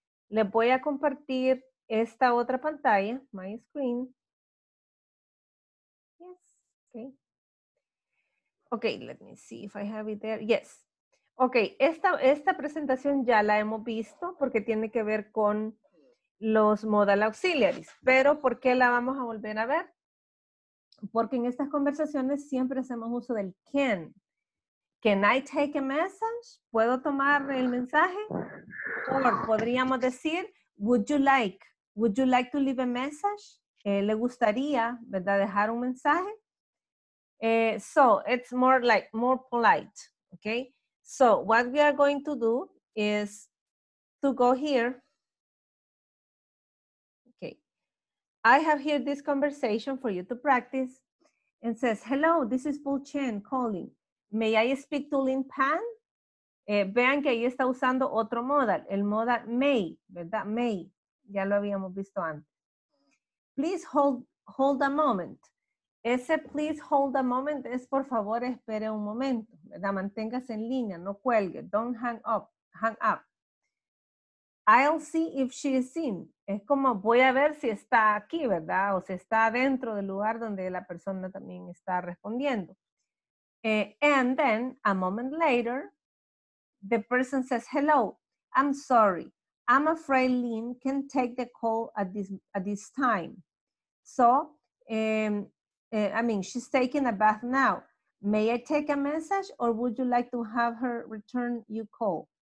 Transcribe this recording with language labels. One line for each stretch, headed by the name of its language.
Spanish: Les voy a compartir esta otra pantalla,
English: my screen. Yes, okay. Okay, let me see if I have it there. Yes.
Spanish: Okay, esta presentación ya la hemos visto porque tiene que ver con los modal auxiliaries, pero ¿por qué la vamos a volver a ver? Porque en estas conversaciones siempre hacemos uso del can.
English: Can I take a message?
Spanish: ¿Puedo tomar el mensaje? O podríamos decir,
English: would you like to leave a message?
Spanish: ¿Le gustaría, verdad, dejar un mensaje?
English: So, it's more like, more polite, okay? So, what we are going to do is to go here. I have here this conversation for you to practice and says, hello, this is Bull Chen calling. May I speak to Lin Pan?
Spanish: Vean que ahí está usando otro modal, el modal may, ¿verdad? May, ya lo habíamos visto antes.
English: Please hold a moment.
Spanish: Ese
English: please hold a moment
Spanish: es por favor espere un momento, ¿verdad? Manténgase en línea, no cuelgue,
English: don't hang up. I'll see if she is in.
Spanish: Es como voy a ver si está aquí, ¿verdad? O si está dentro del lugar donde la persona también está respondiendo.
English: And then, a moment later, the person says, hello, I'm sorry. I'm afraid Lynn can take the call at this time. So, she's taking a bath now. May I take a message or would you like to have her return your call?